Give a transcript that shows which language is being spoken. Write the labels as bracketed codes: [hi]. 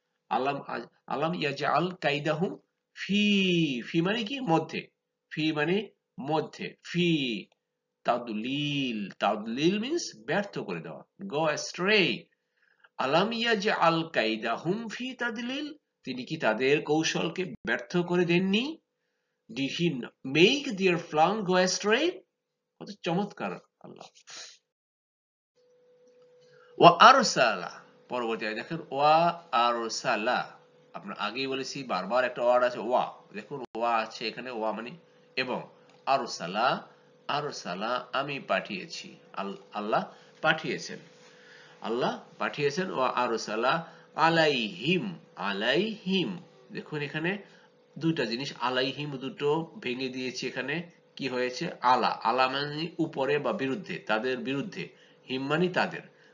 [ar] আলাম, আলাম ইয়াজ আল কায়দা হুম ফি, [bn] ফি মানে কি, মধ্যে, ফি মানে মধ্যে, ফি তাদলিল, তাদলিল মিন্স ব্যর্থ করে দেওয়া, [en] Go astray. [ar] আলাম ইয়াজ আল কায়দা হুম ফি তাদলিল, [bn] তিনি কি তাদের কৌশলকে ব্যর্থ করে দেননি? [en] Did he make their plan go astray? [bn] কত চমৎকার আল্লাহ। ওয়া আরসালা, পরবর্তী আয়াত দেখেন, ওয়া আরসালা, আপনারা আগেই বলেছি বারবার একটা ওয়ার্ড আছে ওয়া, দেখুন ওয়া আছে এখানে, ওয়া মানে এবং, আরসালা, আরসালা আমি পাঠিয়েছি, আল্লাহ পাঠিয়েছেন, আল্লাহ পাঠিয়েছেন, [ar] ওয়া আরসালা আলাইহিম, [bn] আলাইহিম, দেখুন এখানে দুটা জিনিস, আলাইহিম দুটো ভেঙে দিয়েছি, এখানে কি হয়েছে, আলা, আলা মানে উপরে বা বিরুদ্ধে, তাদের বিরুদ্ধে, হিম মানে তাদের,